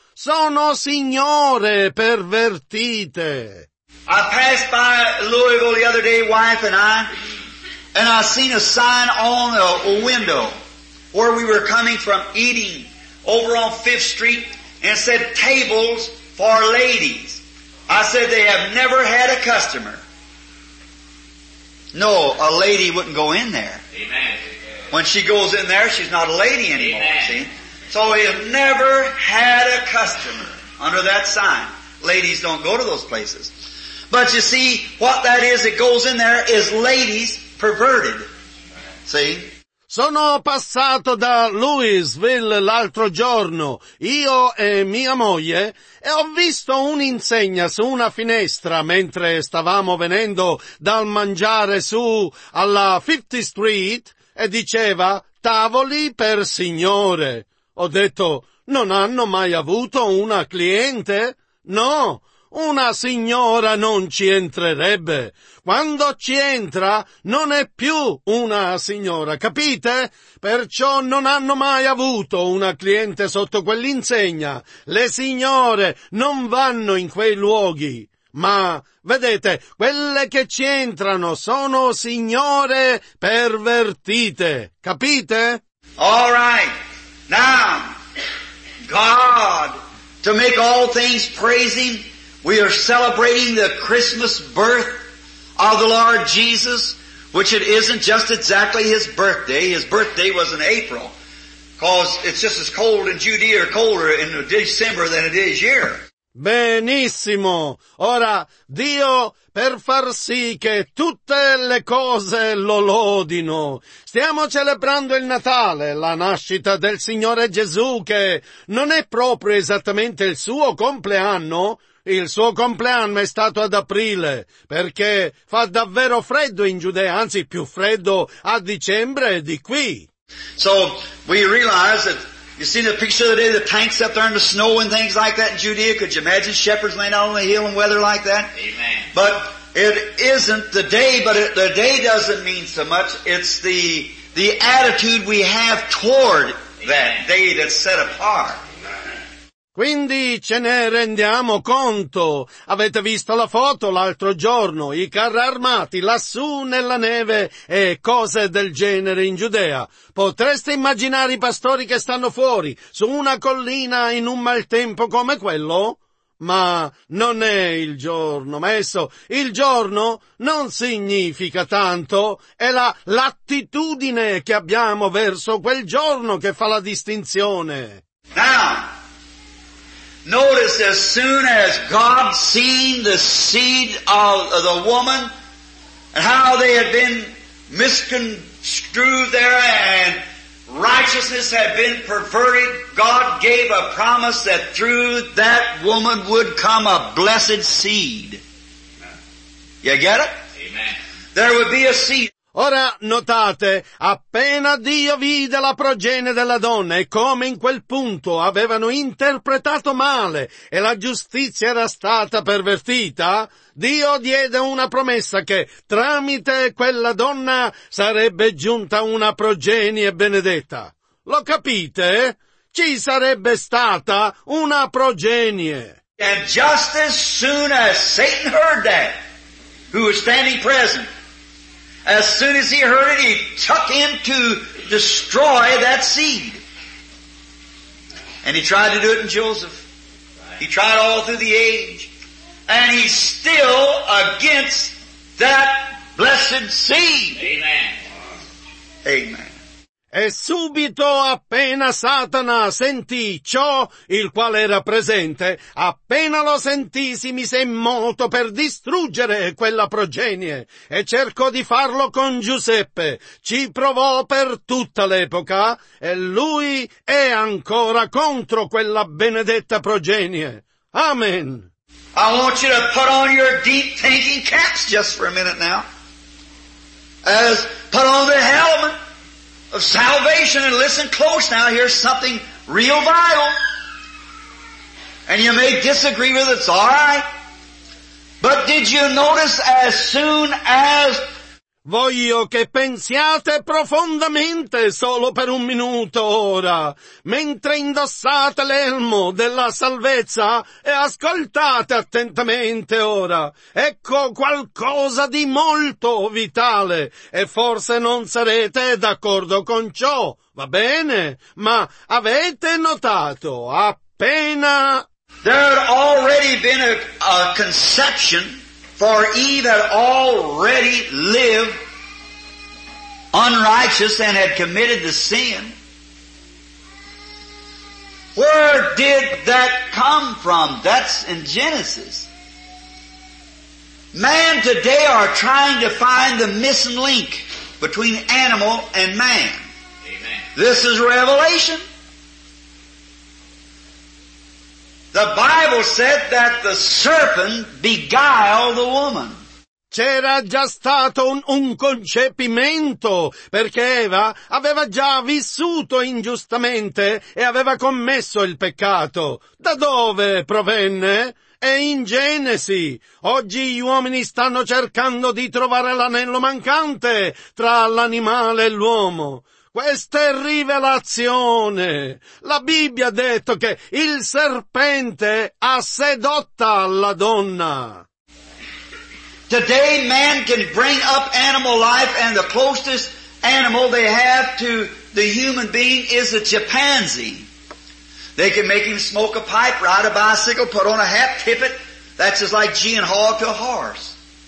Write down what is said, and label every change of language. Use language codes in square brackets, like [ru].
[it] Sono signore pervertite. [en] I passed by Louisville the other day, wife and I, and I seen a sign on a window where we were coming from eating over on Fifth Street, and it said, tables for ladies. I said, they have never had a customer. No, a lady wouldn't go in there. Amen. When she goes in there, she's not a lady anymore, Amen. See? So we have never had a customer under that sign. Ladies don't go to those places. But you see, what that is that goes in there is ladies perverted. See? [it] Sono passato da Louisville l'altro giorno, io e mia moglie, e ho visto un'insegna su una finestra mentre stavamo venendo dal mangiare su alla 50th Street e diceva tavoli per signore. Ho detto, non hanno mai avuto una cliente? No, una signora non ci entrerebbe. Quando ci entra, non è più una signora, capite? Perciò non hanno mai avuto una cliente sotto quell'insegna. Le signore non vanno in quei luoghi. Ma, vedete, quelle che ci entrano sono signore pervertite, capite? [en] All right. Now, God, to make all things praising, we are celebrating the Christmas birth of the Lord Jesus, which it isn't just exactly His birthday. His birthday was in April, because it's just as cold in Judea, or colder in December than it is here. [it] Benissimo. Ora, Dio, per far sì che tutte le cose lo lodino. Stiamo celebrando il Natale, la nascita del Signore Gesù, che non è proprio esattamente il suo compleanno. Il suo compleanno è stato ad aprile, perché fa davvero freddo in Giudea, anzi più freddo a dicembre di qui. [en] So, we realize that. You see the picture of the day, the tanks up there in the snow and things like that in Judea? Could you imagine shepherds laying out on the hill in weather like that? Amen. But it isn't the day, but the day doesn't mean so much. It's the attitude we have toward Amen. That day that's set apart. [it] Quindi ce ne rendiamo conto. Avete visto la foto l'altro giorno, i carri armati lassù nella neve e cose del genere in Giudea. Potreste immaginare i pastori che stanno fuori, su una collina in un maltempo come quello? Ma non è il giorno, maestro. Il giorno non significa tanto, è l'attitudine che abbiamo verso quel giorno che fa la distinzione. [en] Now. Notice as soon as God seen the seed of the woman and how they had been misconstrued there and righteousness had been perverted, God gave a promise that through that woman would come a blessed seed. You get it? Amen. There would be a seed. [it] Ora notate, appena Dio vide la progenie della donna e come in quel punto avevano interpretato male e la giustizia era stata pervertita, Dio diede una promessa che tramite quella donna sarebbe giunta una progenie benedetta. Lo capite? Ci sarebbe stata una progenie. [en] And just as soon as Satan heard that, who was standing present, As soon as he heard it, he took in to destroy that seed. And he tried to do it in Joseph. He tried all through the age. And he's still against that blessed seed. Amen. Amen. [it] E subito, appena Satana sentì ciò, il quale era presente, appena lo sentì, si mise in moto per distruggere quella progenie, e cercò di farlo con Giuseppe. Ci provò per tutta l'epoca, e lui è ancora contro quella benedetta progenie. [en] Amen. I want you to put on your deep thinking caps just for a minute now. As put on the helmet of salvation, and listen close now, here's something real vital. And you may disagree with it, it's all right. But did you notice as soon as... [it] Voglio che pensiate profondamente solo per un minuto ora, mentre indossate l'elmo della salvezza e ascoltate attentamente ora. Ecco qualcosa di molto vitale e forse non sarete d'accordo con ciò, va bene? Ma avete notato appena... [en] There had already been a conception... For Eve had already lived unrighteous and had committed the sin. Where did that come from? That's in Genesis. Man today are trying to find the missing link between animal and man. Amen. This is Revelation. The Bible said that the serpent beguiled the woman. [it] C'era già stato un concepimento, perché Eva aveva già vissuto ingiustamente e aveva commesso il peccato. Da dove provenne? È in Genesi. Oggi gli uomini stanno cercando di trovare l'anello mancante tra l'animale e l'uomo. Questa è rivelazione. La Bibbia ha detto che il serpente ha sedotta la donna. [en] Today man can bring up animal life and the closest animal they have to the human being is a chimpanzee. They can make him smoke a pipe, ride a bicycle, put on a hat, tip it. That's just like gee-ing haw to a horse.